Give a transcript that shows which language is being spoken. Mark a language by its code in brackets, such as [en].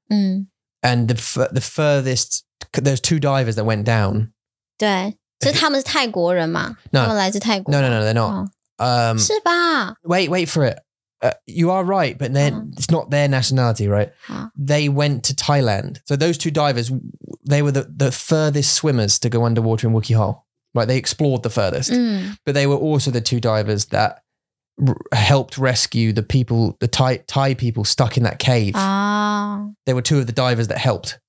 [en] And the furthest, there's two divers that went down. [zh] 对,所以他们是泰国人吗? [en] No. [zh] 他们来自泰国? [en] No, they're not. [zh] 是吧? [en] Wait for it. You are right, but then it's not their nationality, right? They went to Thailand. So those two divers, they were the furthest swimmers to go underwater in Wookiee Hole. Like they explored the furthest, but they were also the two divers that helped rescue the people, the Thai people stuck in that cave. There were two of the divers that helped.